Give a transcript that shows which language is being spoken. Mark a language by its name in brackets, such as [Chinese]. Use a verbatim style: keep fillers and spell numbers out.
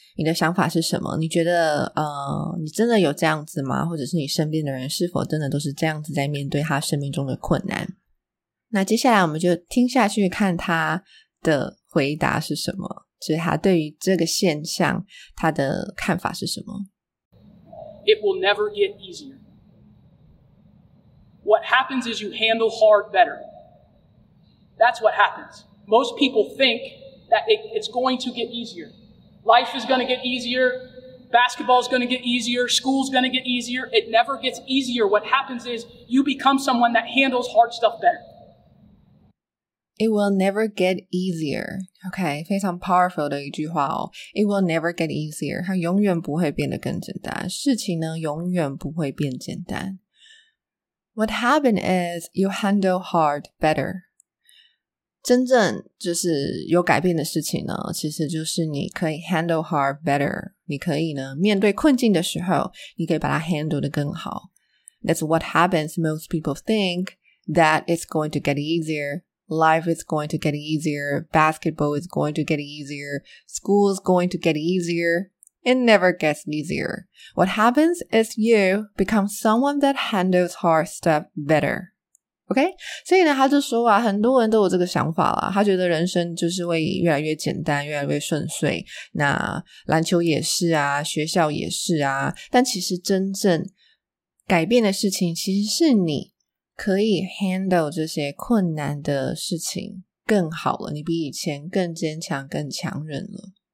[Chinese] 你的想法是什么？你觉得呃，你真的有这样子吗？或者是你身边的人是否真的都是这样子在面对他生命中的困难？那接下来我们就听下去，看他的回答是什么，就是他对于这个现象他的看法是什么。 [English] It will never get easier. What happens is you handle hard better. That's what happens. Most people think that it, it's going to get easier. Life is going to get easier. Basketball is going to get easier. School is going to get easier. It never gets easier. What happens is you become someone that handles hard stuff better. It will never get easier. [Chinese] OK, 非常 powerful 的一句话哦。 [English] It will never get easier. [Chinese] 它永远不会变得更简单。事情呢，永远不会变简单。 [English] What happened is you handle hard better. [Chinese] 真正就是有改变的事情呢，其实就是你可以 [English] handle hard better. [Chinese] 你可以呢，面对困境的时候，你可以把它 handle 得更好。 [English] That's what happens. Most people think that it's going to get easier. Life is going to get easier. Basketball is going to get easier. School is going to get easier. It never gets easier. What happens is you become someone that handles hard stuff better. OK? [Chinese] 所以呢，他就说啊，很多人都有这个想法啦，他觉得人生就是会越来越简单，越来越顺遂。那篮球也是啊，学校也是啊。但其实真正改变的事情，其实是你可以 handle 这些困难的事情更好了，你比以前更坚强更强韧了。